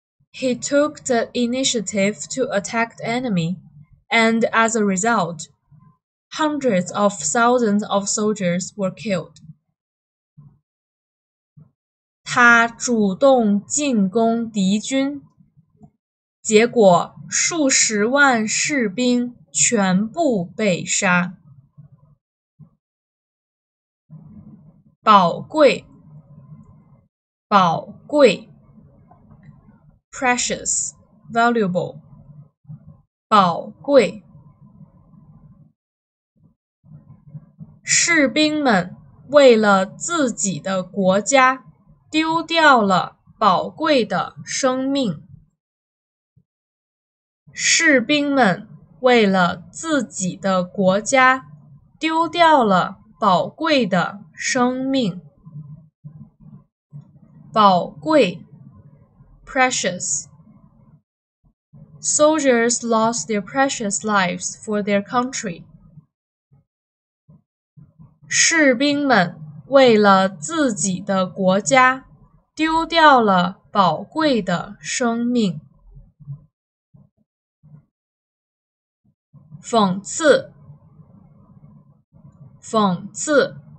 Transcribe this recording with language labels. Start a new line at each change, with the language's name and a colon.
English: He took the initiative to attack the enemy, and as a result, hundreds of thousands of soldiers were killed.
Chinese: 他主动进攻敌军，结果数十万士兵全部被杀。宝贵，宝贵 ，
English: precious, valuable,
Chinese: 宝贵。士兵们为了自己的国家，丢掉了宝贵的生命。士兵们为了自己的国家，丢掉了宝贵的生命。宝贵 ，precious.
English: Soldiers lost their precious lives for their country.
Chinese: 士兵们为了自己的国家，丢掉了宝贵的生命。讽刺，讽刺